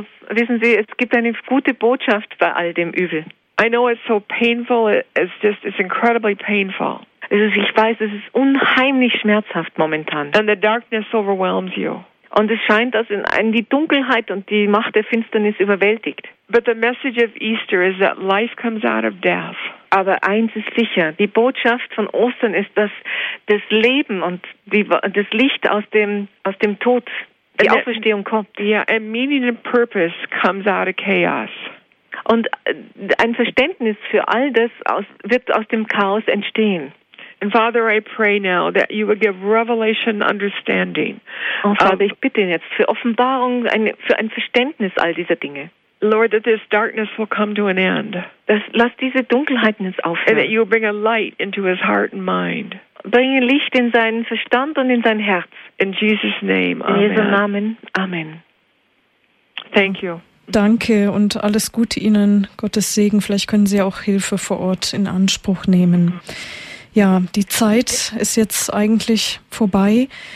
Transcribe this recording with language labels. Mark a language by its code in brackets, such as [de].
[de] Wissen Sie, es gibt eine gute Botschaft bei all dem Übel. [en] I know it's so painful, it's incredibly painful. [de] Ich weiß, es ist unheimlich schmerzhaft momentan. [en] And the darkness overwhelms you. [de] Und es scheint, dass einen die Dunkelheit und die Macht der Finsternis überwältigt. [en] But the message of Easter is that life comes out of death. [de] Aber eins ist sicher, die Botschaft von Ostern ist, dass das Leben und das Licht aus dem Tod, die Auferstehung kommt. [en] Yeah, and meaning and purpose comes out of chaos. [de] Und ein Verständnis für all das wird aus dem Chaos entstehen. [en] And Father, I pray now that you would give revelation understanding. [de] Oh, Vater, ich bitte jetzt für Offenbarung, für ein Verständnis all dieser Dinge. [en] Lord, that this darkness will come to an end. [de] Lass diese Dunkelheit jetzt aufhören. [en] And that you will bring a light into his heart and mind. [de] Bringe Licht in seinen Verstand und in sein Herz. [en] In Jesus' name, amen. [de] In Jesu Namen, amen. [en] Thank you. [de] Danke und alles Gute Ihnen, Gottes Segen. Vielleicht können Sie auch Hilfe vor Ort in Anspruch nehmen. Ja, die Zeit ist jetzt eigentlich vorbei.